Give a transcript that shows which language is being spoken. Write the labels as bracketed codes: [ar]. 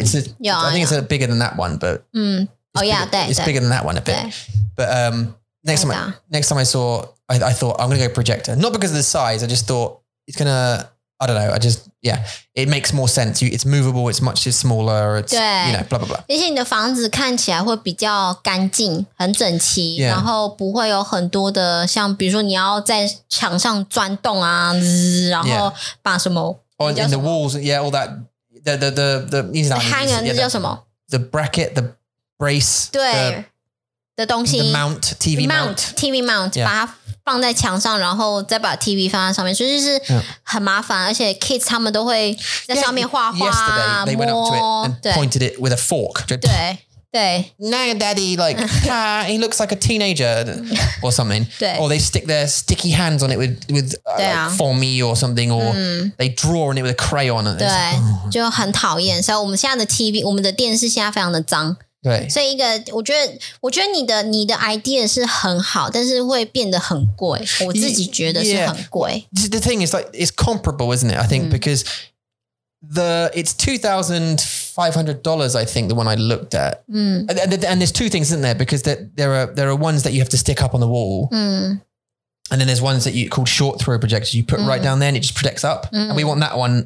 [en] I think it's a bigger than that one, but. Mm. Oh, yeah, bigger, it's bigger than that one a bit. But next time I thought, I'm going to go projector. Not because of the size, I just thought it's going to. I don't know. I just, yeah, it makes more sense. It's movable. It's much smaller. It's, you know, blah, blah, blah. [zh] 而且你的房子看起来会比较干净,很整齐, 然后不会有很多的,像比如说你要在墙上钻洞啊, 然后把什么, [en] in the walls, yeah, all that. The hanger [zh] 叫什么? [en] The bracket, the brace. [zh] 对,的东西, [en] the mount, TV mount. TV mount, yeah. [zh] 放在墙上, 然后再把 TV 放在上面, 所以就是很麻烦, 而且 kids 他们都会在上面画画, [en] yeah, yesterday, they [zh] 摸, [en] went up to it and pointed it with a fork. [zh] 对, [en] now daddy, like, he looks like a teenager or something. Or they stick their sticky hands on it with foamy or something, or they draw on it with a crayon. [zh] 就很讨厌, 所以我们现在的 TV, 我们的电视现在非常的脏。所以我觉得你的 idea 是很好, 但是会变得很贵, 我自己觉得是很贵。 [en] Yeah. The thing is, like, it's comparable, isn't it? I think because it's $2,500, I think, the one I looked at. And there's two things, isn't there? Because there are ones that you have to stick up on the wall. And then there's ones that you called short throw projectors. You put right down there and it just projects up. And we want that one.